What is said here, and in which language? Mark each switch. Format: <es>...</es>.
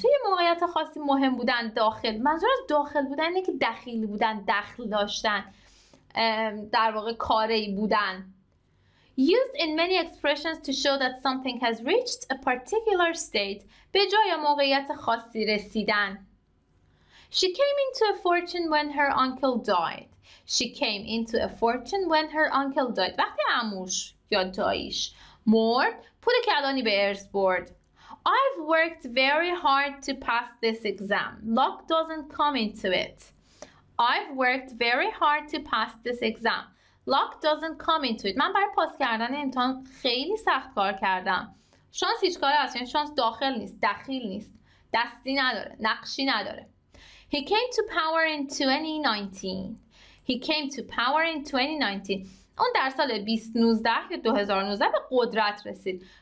<fa>توی موقعیت خاصی مهم بودن داخل. منظور از داخل بودن اینه که دخیل بودن، دخل داشتن. در واقع کاری بودن.</fa> <en>Used in many expressions to show that something has reached a particular state.</en> <fa>به جای موقعیت خاصی رسیدن.</fa> <en>She came into a fortune when her uncle died. She came into a fortune when her uncle died.</en> <fa>وقتی عموش یا داییش مرد، پول کلانی به ارث برد.</fa> <en>I've worked very hard to pass this exam. Luck doesn't come into it. I've worked very hard to pass this exam. Luck doesn't come into it.</en> <fa>من برای پاس کردن امتحان خیلی سخت کار کردم. شانس هیچ کاری هست، یعنی شانس داخل نیست، دخیل نیست. دستی نداره، نقشی نداره.</fa> <en>He came to power in 2019. He came to power in 2019.</en> <fa>اون در سال 2019 یا 2019 به قدرت رسید.</fa>